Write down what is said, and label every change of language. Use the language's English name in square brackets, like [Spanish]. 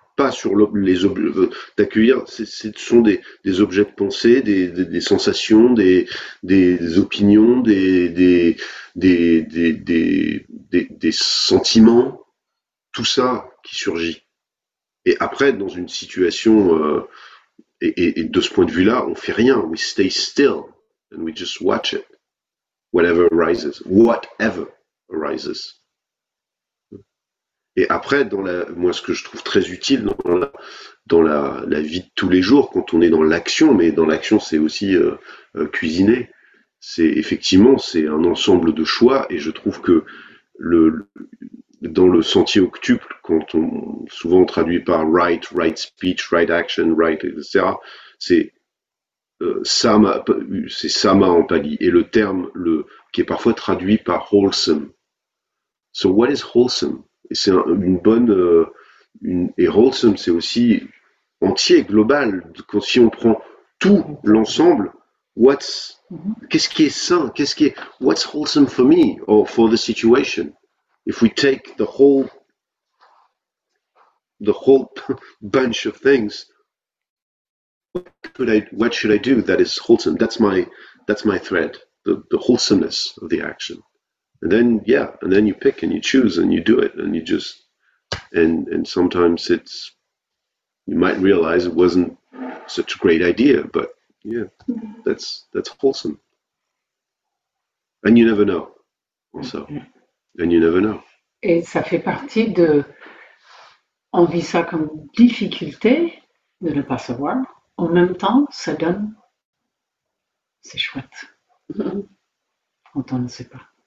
[French] Pas sur les objets. D'accueillir, ce sont des objets de pensée, des sensations, des opinions, des sentiments. Tout ça qui surgit. Et après, dans une situation. Et de ce point de vue-là, on fait rien. [English] We stay still and we just watch it. Whatever arises. [French] Et après, moi, ce que je trouve très utile dans la vie de tous les jours, quand on est dans l'action, mais dans l'action, c'est aussi cuisiner. C'est un ensemble de choix. Et je trouve que dans le sentier octuple, quand on souvent on traduit par [English] right speech, right action, right, [French] etc., c'est sama en pali, et le terme qui est parfois traduit par wholesome. [English] So what is wholesome? [French] Et c'est et wholesome c'est aussi entier, global. Quand si on prend tout l'ensemble, qu'est-ce qui est sain? [English] What's wholesome for me or for the situation? If we take the whole bunch of things, what should I do that is wholesome? That's my thread, the wholesomeness of the action. And then, yeah, and then you pick and you choose and you do it and you just, and sometimes it's, you might realize it wasn't such a great idea, but yeah, that's wholesome. And you never know, also. And you never know. [French] Et ça fait partie de, on vit ça comme difficulté de ne pas savoir. En même temps, ça donne, c'est chouette, quand on ne sait pas.